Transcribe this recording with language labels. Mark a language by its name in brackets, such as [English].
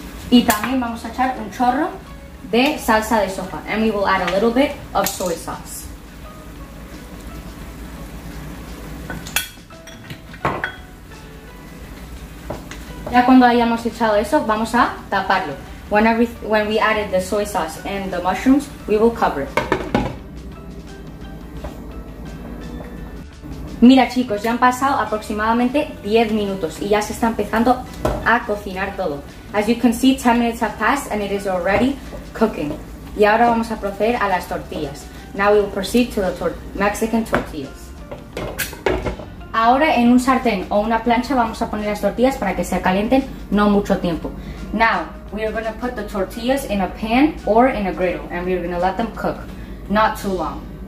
[Spanish] Y también vamos a echar un chorro de salsa de soja. [English] And we will add a little bit of soy sauce. [Spanish] Ya cuando hayamos echado eso, vamos a taparlo. [English] When we added the soy sauce and the mushrooms, we will cover it. [Spanish] Mira chicos, ya han pasado aproximadamente 10 minutos y ya se está empezando a cocinar todo. [English] As you can see, 10 minutes have passed and it is already cooking. [Spanish] Y ahora vamos a proceder a las tortillas. [English] Now we will proceed to the Mexican tortillas. [Spanish] Ahora en un sartén o una plancha vamos a poner las tortillas para que se calienten no mucho tiempo. [English] Now we are going to put the tortillas in a pan or in a griddle and we are going to let them cook, not too long.